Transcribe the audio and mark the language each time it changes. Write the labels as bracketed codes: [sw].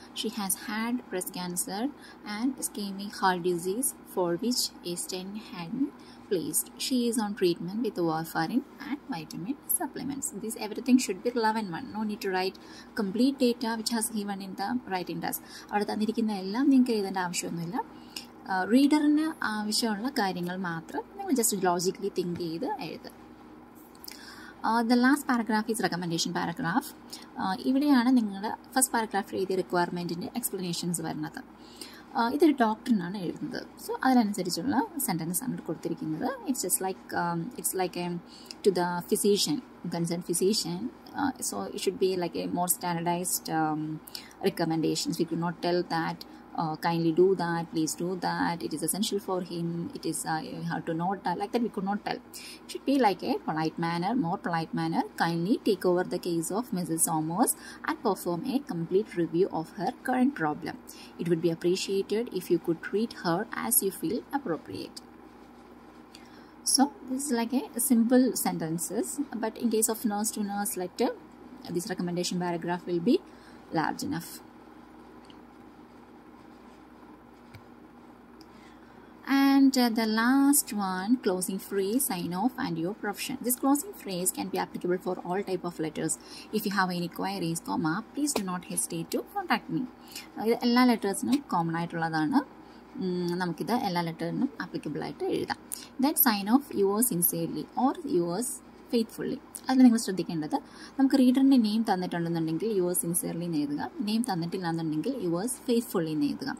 [en] She has had breast cancer and ischemic heart disease, for which a stent had been placed. She is on treatment with warfarin and vitamin supplements. This everything should be relevant one. No need to write complete data which has given in the writing task. [ml] അവിടെ തന്നിരിക്കുന്ന എല്ലാം നിങ്ങൾക്ക് എഴുതേണ്ട ആവശ്യമൊന്നുമില്ല. റീഡറിന് ആവശ്യമുള്ള കാര്യങ്ങൾ മാത്രം നിങ്ങൾ ജസ്റ്റ് ലോജിക്കലി തിങ്ക് ചെയ്ത് എഴുത്. [en] The last paragraph is recommendation paragraph. [ml] ഇവിടെയാണ് നിങ്ങളുടെ ഫസ്റ്റ് പാരഗ്രാഫിൽ എഴുതിയ റിക്വയർമെൻറ്റിൻ്റെ എക്സ്പ്ലനേഷൻസ് വരുന്നത്. ഇതൊരു ഡോക്ടറിനാണ് എഴുതുന്നത്. സോ അതിനനുസരിച്ചുള്ള സെൻറ്റൻസ് ആണ് കൊടുത്തിരിക്കുന്നത്. [en] It's just like it's like a to the physician, concern physician. So it should be like a more standardised recommendations. We do not tell that kindly do that, please do that, it is essential for him, it is you have to note that, like that we could not tell. It should be like a polite manner, more polite manner. Kindly take over the case of Mrs. Somers and perform a complete review of her current problem. It would be appreciated if you could treat her as you feel appropriate. So this is like a simple sentences, but in case of nurse to nurse letter, this recommendation paragraph will be large enough. And the last one, closing phrase, sign off and your profession. This closing phrase can be applicable for all type of letters. If you have any queries, comma, please do not hesitate to contact me. [ml] ഇത് എല്ലാ ലെറ്റേഴ്സിനും common ആയിട്ടുള്ളതാണ്. നമുക്കിത് എല്ലാ ലെറ്ററിനും applicable ആയിട്ട് എഴുതാം. [en] Then sign off yours sincerely or yours faithfully. [ml] അതിൽ നിങ്ങൾ ശ്രദ്ധിക്കേണ്ടത്, നമുക്ക് റീഡറിൻ്റെ നെയിം തന്നിട്ടുണ്ടെന്നുണ്ടെങ്കിൽ യുവേഴ്സ് സിൻസിയർലി എഴുതുക, നെയിം തന്നിട്ടില്ല എന്നുണ്ടെങ്കിൽ യുവേഴ്സ് ഫെയ്ത്ത്ഫുള്ളി എഴുതുക.